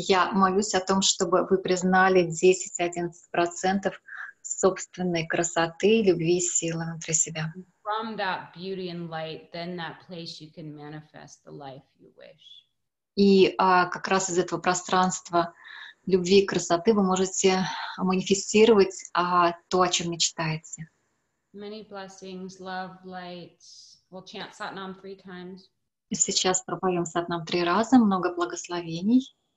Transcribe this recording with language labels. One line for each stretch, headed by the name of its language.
Russian: я молюсь о том, чтобы вы признали 10-11% собственной красоты, любви и силы внутри себя.
English: From that beauty and light, then that place you can manifest the life you wish.
Russian: И как раз из этого пространства любви и красоты вы можете манифестировать то, о чем мечтаете.
English: Many blessings, love, light. We'll chant Satnam 3 times.
Russian: И сейчас пропоем Сатнам 3 раза, много благословений.